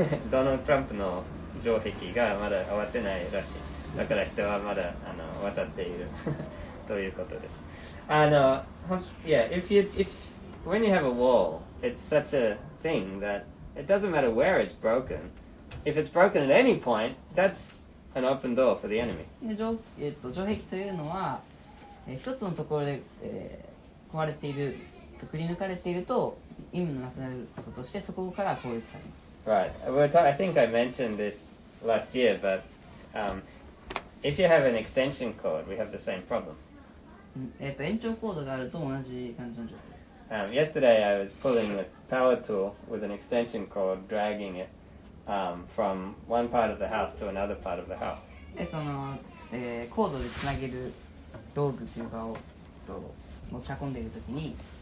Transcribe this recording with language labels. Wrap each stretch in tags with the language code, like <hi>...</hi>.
<ja>Donald Trump の城壁がまだ終わってないらしい。だから人はまだあの渡っているということです。</ja> <en>あの、yeah, if when you have a wall, it's such a thing that it doesn't matter where it's broken. If it's broken at any point, that's an open door for the enemy.</en> <ja>城壁というのは一つのところで、壊れている、くり抜かれていると意味のなくなることとしてそこから攻撃されます。</ja> <en>Right. I think I mentioned this last year, but、if you have an extension cord, we have the same problem.</en> <ja>延長コードがあると同じ感じの状況です。</ja> <en>Yesterday I was pulling the power tool with an extension cord, dragging it、from one part of the house to another part of the house.</en> <ja>その、コードでつなげる道具というかを持ち運んでいるときに、</ja>